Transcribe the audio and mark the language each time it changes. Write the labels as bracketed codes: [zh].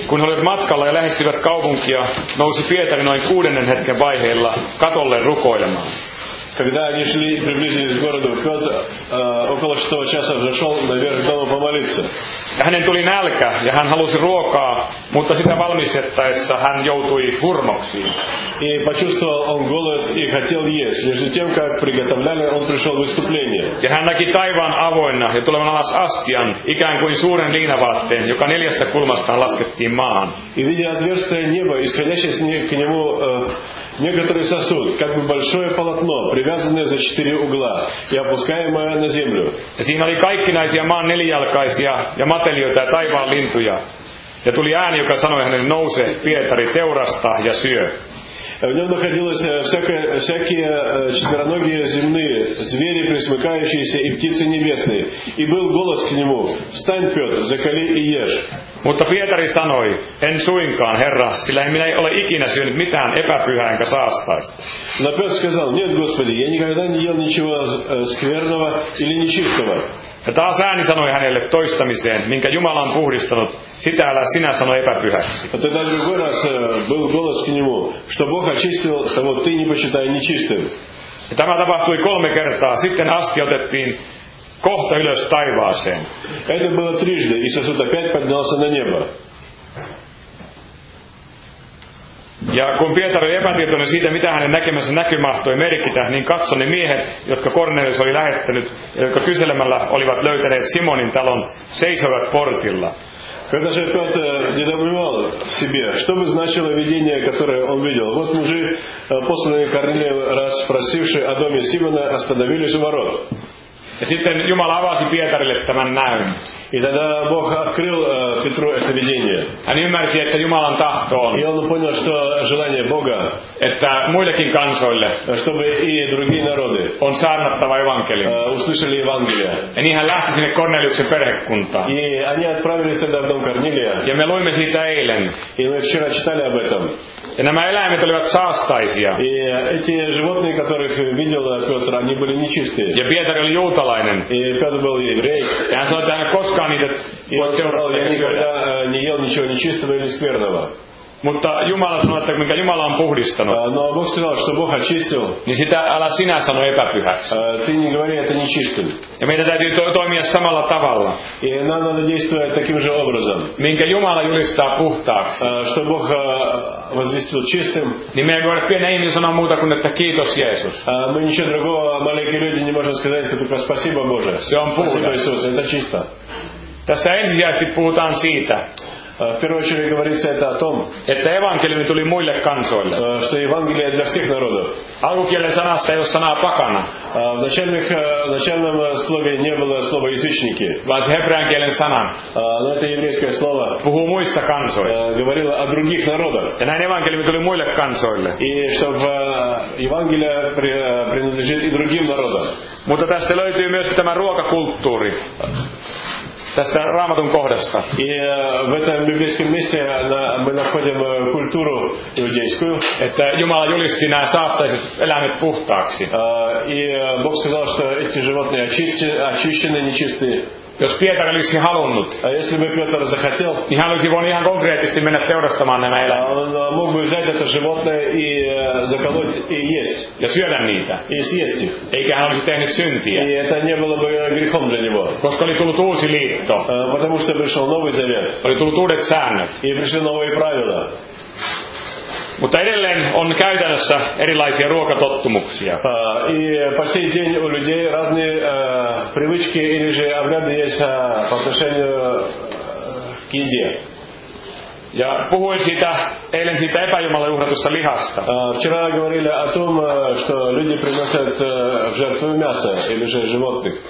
[fi] Kun olivat matkalla ja lähestyivät kaupunkia, nousi Pietari noin 6. hetken vaiheella katolle rukoilemaan. [ru] Когда они шли и приблизились к городу, Петр около 6 часа зашел наверх дома помолиться. [fi] Ja hänen tuli nälkä ja hän halusi ruokaa, mutta sitä valmistettaessa hän joutui hurmoksiin. [ru] И почувствовал он голод и хотел есть. Между тем, как приготовляли, он пришел в выступление. [fi] Ja hän näki taivaan avoinna ja tulevan alas astian, ikään kuin suuren liinavaatteen, joka 4 kulmastaan laskettiin maan. [ru] И видя отверстие неба, исходящее к нему некоторый сосуд, как бы большое полотно, привязанное за 4 угла и опускаемое на землю. [fi] Ja siinä oli kaikkinaisia maan nelijalkaisia ja matelijoita ja taivaan lintuja. Ja tuli ääni, joka sanoi hänelle, nouse, Pietari, teurasta ja syö. [ru] В нем находились всякие четвероногие земные, звери, присмыкающиеся и птицы небесные. И был голос к нему, встань, Петр, заколи и ешь. [fi] Mutta Pietari sanoi, en suinkaan, Herra, sillä minä ei ole ikinä syönyt mitään epäpyhää enkä saastaista. [ru] Но Петр сказал, нет, Господи, я никогда не ел ничего скверного или нечистого. [fi] Ja taas ääni sanoi hänelle toistamiseen, minkä Jumala on puhdistanut, sitä älä sinä sano epäpyhäksi. Mutta tämän [ru] другой раз был голос к нему, что Бог очистил, того ты не посчитай нечистым. [fi] Ja tämä tapahtui 3 kertaa, sitten asti otettiin kohta ylös taivaaseen. [ru] Это было трижды, и сосуд опять поднялся на небо. [fi] Ja kun Pietari oli epätietoinen siitä, mitä hänen näkemänsä näky mahtoi merkitä, niin katso ne miehet, jotka Kornelius oli lähettänyt, jotka kyselemällä olivat löytäneet Simonin talon, seisoivat portilla. [ru] Когда же Петр недоумевал себе, что бы значило видение, которое он видел? Вот мужи, посланные Корнелием, раз спросившие о доме Симона, остановились у ворот. [fi] Ja sitten Jumala avasi Pietarille tämän näyn. [ru] И тогда Бог открыл Петру это видение. [fi] Hän ymmärsi, että Jumalan tahto on. [ru] И он понял, что желание Бога. [fi] Että muillekin kansoille. [ru] Чтобы и другие народы. [fi] On saarnattava evankelia. [ru] Услышали Евангелие. [fi] Ja niin hän lähti sinne Korneliuksen perhekuntaan. [ru] И они отправились тогда в дом Корнелия. [fi] Ja me luimme siitä eilen. [ru] И мы вчера читали об этом. [fi] Ja nämä eläimet olivat saastaisia. [ru] И эти животные, которых видел Петр, они были нечистые. [fi] Ja Pietari oli juutalainen. [ru] И Петр был еврей. [fi] Ja hän sanoi, että hän koskaan niitä voit seurata. [ru] Я никогда не ел ничего нечистого или скверного. [fi] Mutta Jumala sanoi, että minkä Jumala on puhdistanut. [ru] No, Бог сказал, что Бог очистил. [fi] Niin sitä älä sinä sano epäpyhäksi. [ru] Ты не говори, это нечистым. [fi] Ja meidän täytyy toimia samalla tavalla. [ru] И нам надо действовать таким же образом. [fi] Minkä Jumala julistaa puhtaaksi. [ru] Что Бог возвестил чистым. [fi] Niin meidän voidaan pieniä ihmisiä sanoa muuta kuin, että kiitos Jeesus. [ru] Мы ничего другого маленькие люди не можем сказать, как только спасибо Боже. [fi] Se on puhdas. [ru] Спасибо Иисус, это чисто. [fi] Tässä ensisijaisesti puhutaan siitä. [ru] первую очередь говорится это о том, [fi] että evankeliumi tuli muille kansoille. [ru] Что Евангелие для всех народов. [fi] Alkukielen sanassa ei ole sanaa pakana. [ru] В начальном слове не было слова язычники. [fi] Vaan se hebrean kielen sana. [ru] Но это еврейское слово. [fi] Puhuu muista kansoille. [ru] Говорило о других народах. [fi] Ja näin evankeliumi tuli muille kansoille. [ru] И чтобы Евангелие принадлежит и другим народам. [fi] Mutta tästä löytyy myös tämä ruokakulttuuri. Tästä Raamatun kohdasta. [ru] В этом библейском месте мы находим культуру иудейскую, [fi] että Jumala julisti nämä saastaiset eläimet puhtaaksi. [ru] И Бог сказал, что эти животные очищены, нечистые. [fi] Jos Pietar olisi halunnut, [ru] если бы Петр захотел, [fi] niin hän olisi voinut ihan konkreettisesti mennä teurastamaan nämä eläimet. [ru] Он мог бы взять это животное и заколоть и есть. [fi] Ja syödä niitä. [ru] И съесть их. [fi] Eikä hän olisi tehnyt syntiä. [ru] И это не было бы грехом для него. [fi] Koska oli tullut uusi liitto. [ru] Потому что пришел новый завет. [fi] Oli tullut uudet säännöt. [ru] И пришли новые правила. [fi] Mutta edelleen on käytännössä erilaisia ruokatottumuksia. [ru] И по сей день у людей разные привычки или же обряды есть по отношению к еде. [fi] Ja puhuin siitä eilen siitä epäjumala uhratusta lihasta. [ru] Вчера говорили о том, что люди приносят в жертву мясо или же животных.